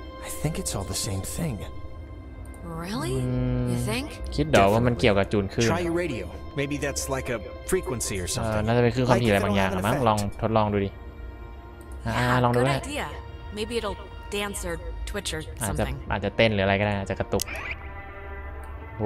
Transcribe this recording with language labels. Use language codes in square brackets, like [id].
[en] I think it's all the same thing. Really? You think? [th] คิดดูว่ามันเกี่ยวกับจูนขึ้น [en] Try your radio. Maybe that's like a frequency or something. [th] น่าจะเป็นคลื่นความถี่อะไรบางอย่างมั้งลองทดลองดูดิลองดู ได้ [en] Maybe it'll dance or twitch or something. [th] อาจจะเต้นหรืออะไรก็ได้อาจจะกระตุกโอ